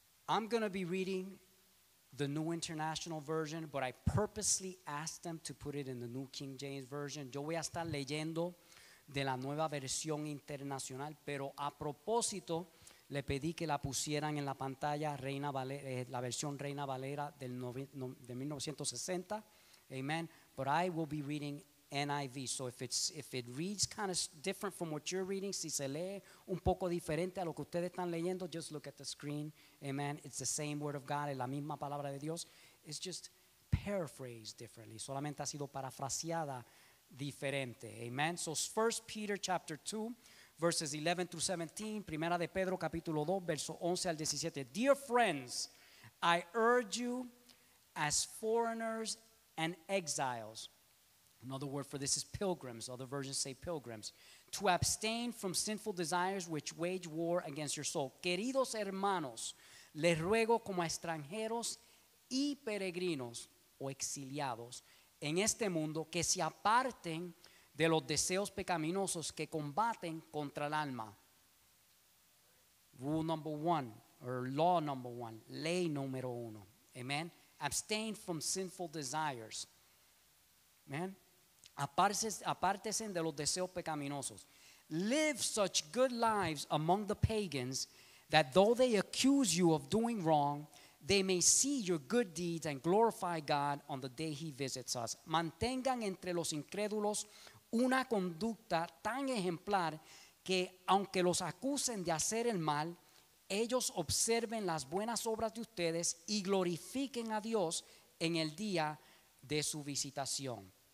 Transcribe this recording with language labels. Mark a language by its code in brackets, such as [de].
[en] I'm going to be reading the New International Version, but I purposely asked them to put it in the New King James Version. [es] Yo voy a estar leyendo de la nueva versión internacional, pero a propósito le pedí que la pusieran en la pantalla Reina Valera, la versión Reina Valera de 1960. [en] Amen. But I will be reading NIV. So if it reads kind of different from what you're reading, [es] si se lee un poco diferente a lo que ustedes están leyendo, [en] just look at the screen. Amen. It's the same word of God, [es] es la misma palabra de Dios. [en] It's just paraphrased differently. [es] Solamente ha sido parafraseada diferente. Amen. [en] So 1 Peter chapter 2, verses 11 through 17. [es] Primera de Pedro capítulo 2, verso 11 al 17. [en] Dear friends, I urge you as foreigners and exiles. Another word for this is pilgrims. Other versions say pilgrims. To abstain from sinful desires which wage war against your soul. [es] Queridos hermanos, les ruego como a extranjeros y peregrinos o exiliados en este mundo que se aparten de los deseos pecaminosos que combaten contra el alma. [en] Rule number one, or law number one, [es] ley número uno. [en] Amen. Abstain from sinful desires. Amen. [es] Apártese de los deseos pecaminosos. [en] Live such good lives among the pagans that though they accuse you of doing wrong, they may see your good deeds and glorify God on the day he visits us. [es] Mantengan entre los incrédulos una conducta tan ejemplar que aunque los acusen de hacer el mal, ellos observen las buenas obras de ustedes y glorifiquen a Dios en el día de su visitación.